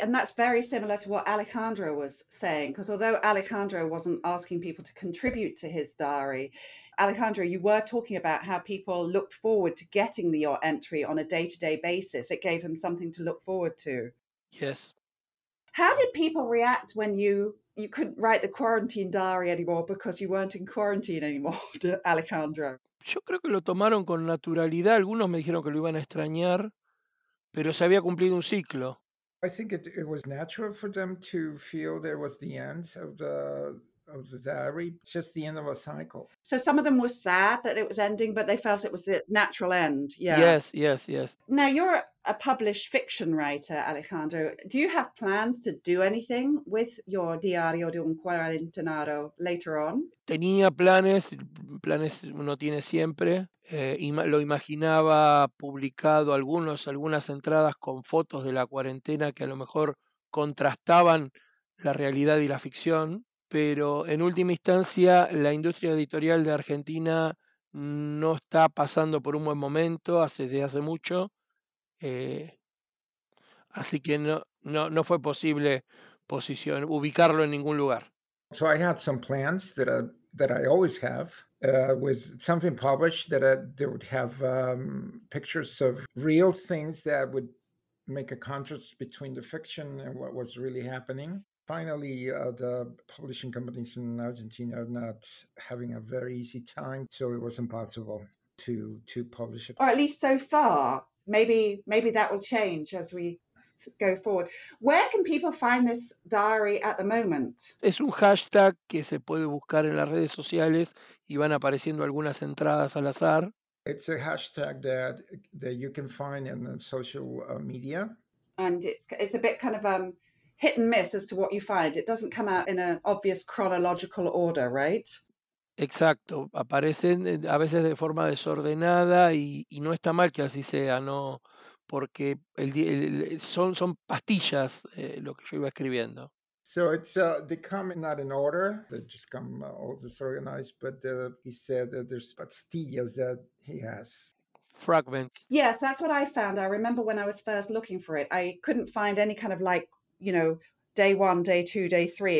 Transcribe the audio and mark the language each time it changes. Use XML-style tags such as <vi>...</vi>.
<en>And that's very similar to what Alejandro was saying, because although Alejandro wasn't asking people to contribute to his diary, Alejandro, you were talking about how people looked forward to getting your entry on a day-to-day basis. It gave them something to look forward to. Yes. How did people react when you couldn't write the quarantine diary anymore because you weren't in quarantine anymore, Alejandro?</en> <es>Yo creo que lo tomaron con naturalidad. Algunos me dijeron que lo iban a extrañar, pero se había cumplido un ciclo.</es> <en>I think it was natural for them to feel there was the end of the diary, just the end of a cycle. So some of them were sad that it was ending, but they felt it was the natural end. Yeah. Yes, yes, yes. Now, you're a published fiction writer, Alejandro. Do you have plans to do anything with your Diario de un Cuarentenado later on?</en> <es>Tenía planes uno tiene siempre. Lo imaginaba publicado algunas entradas con fotos de la cuarentena que a lo mejor contrastaban la realidad y la ficción. Pero en última instancia, la industria editorial de Argentina no está pasando por un buen momento desde hace mucho. Así que no fue posible ubicarlo en ningún lugar.</es> <en>So I had some plans that I always have with something published that would have pictures of real things that would make a contrast between the fiction and what was really happening. Finally, the publishing companies in Argentina are not having a very easy time, so it was impossible to publish it. Or at least so far. Maybe that will change as we go forward. Where can people find this diary at the moment?</en> <es>Es un hashtag que se puede buscar en las redes sociales y van apareciendo algunas entradas al azar.</es> <en>It's a hashtag that you can find in social media. And it's a bit kind of hit and miss as to what you find. It doesn't come out in an obvious chronological order, right?</en> <es>Exacto. Aparecen a veces de forma desordenada y no está mal que así sea, ¿no? Porque son pastillas lo que yo iba escribiendo.</es> <en>So it's they come in not in order. They just come all disorganized, but he said that there's pastillas that he has. Fragments. Yes, that's what I found. I remember when I was first looking for it, I couldn't find any kind of you know, day one, day two, day three.</en>